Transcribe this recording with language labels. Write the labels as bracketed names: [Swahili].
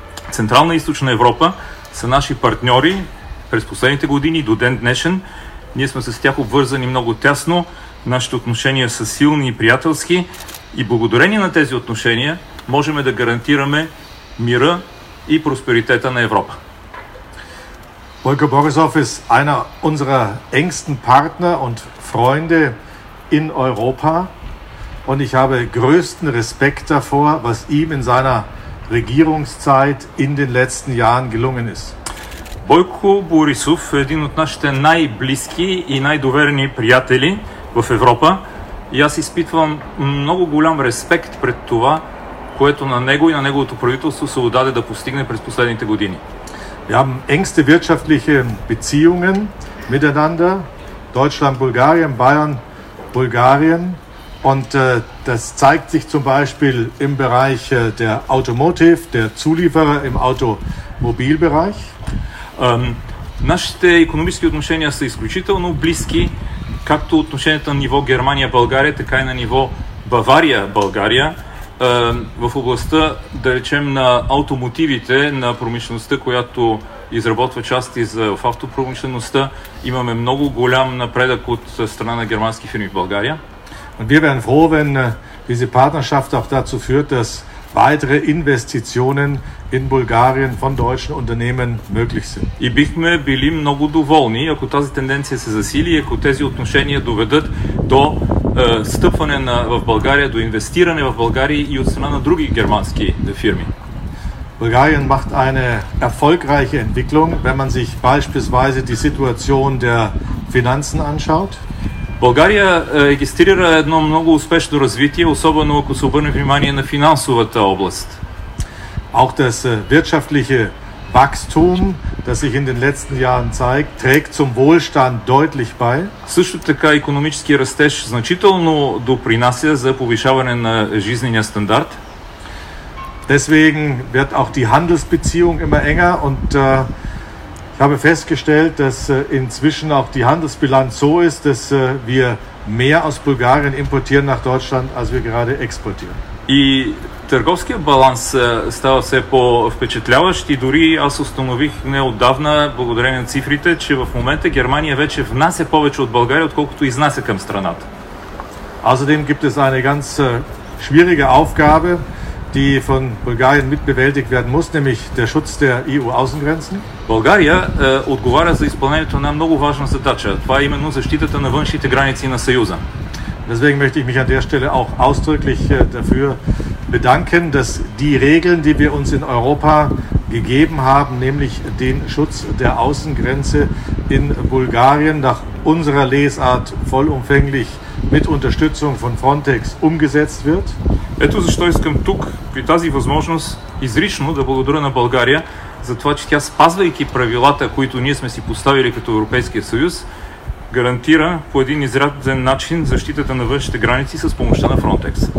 [Bulgarian] Централна и Източна Европа са наши партньори през последните години до ден днешен. Ние сме с тях обвързани много тясно, нашите отношения са силни и приятелски и благодарение на тези отношения можем да гарантираме мира и просперитета на Европа. Бойко Борисов е една от нашите [German] engsten партнер и freunde in Europa und ich habe größten Respekt davor, was ihm in seiner Regierungszeit in den letzten Jahren gelungen ist. [Bulgarian] Бойко Борисов е един от нашите най-близки и най-доверени приятели в Европа и аз изпитвам много голям респект пред това, което на него и на неговото правителство се отдаде да постигне през последните години. [German] Wir haben engste wirtschaftliche Beziehungen miteinander, Deutschland, Bulgarien, Bayern, Bulgarien und das zeigt sich zum Beispiel im Bereich der Automotive, der Zulieferer im Automobilbereich. [Bulgarian] Нашите икономически отношения са изключително близки, както отношенията на ниво Германия-България, така и на ниво Бавария-България. В областта, да речем, на автомотивите, на промишлеността, която изработва части за в автопромишлеността, имаме много голям напредък от страна на германски фирми в България. [German] Und wir wären froh, wenn diese Partnerschaft auch dazu führt, dass weitere Investitionen in Bulgarien von deutschen Unternehmen möglich sind. [Bulgarian] И бихме били много доволни, ако тази тенденция се засили, ако тези отношения доведат до стъпване в България, до инвестиране в България и от страна на други германски фирми. [German] Bulgarien macht eine erfolgreiche Entwicklung, wenn man sich beispielsweise die Situation der Finanzen anschaut. [Bulgarian] България регистрира едно много успешно развитие, особено ако се обърне внимание на финансовата област. [German] Auch das wirtschaftliche Wachstum, das sich in den letzten Jahren zeigt, trägt zum Wohlstand deutlich bei. [Bulgarian] Също така икономически растеж значително допринася за повишаване на жизнения стандарт. [German] Deswegen wird auch die Handelsbeziehung immer enger und ich habe festgestellt, dass inzwischen auch die Handelsbilanz so ist, dass wir mehr aus Bulgarien importieren nach Deutschland, als wir gerade exportieren. [Bulgarian] И търговският баланс става все по-впечатляващ и дори аз установих неотдавна, благодарение на цифрите, че в момента Германия вече внася повече от България, отколкото изнася към страната. [German] Außerdem gibt es eine ganz schwierige Aufgabe, die von Bulgarien mitbewältigt werden muss, nämlich der Schutz der EU-Außengrenzen. [Bulgarian] България отговаря за изпълнението на много важна задача. Това е именно защитата на външните граници на Съюза. [German] Deswegen möchte ich mich an der Stelle auch ausdrücklich dafür bedanken, dass die Regeln, die wir uns in Europa gegeben haben, nämlich den Schutz der Außengrenze in Bulgarien nach unserer Lesart vollumfänglich mit Unterstützung von Frontex umgesetzt wird. [Bulgarian] Ето защо искам тук при тази възможност изрично да благодаря на България за това, че тя спазвайки правилата, които ние сме си поставили като Европейския съюз, гарантира по един изряден начин защитата на външните граници с помощта на Frontex.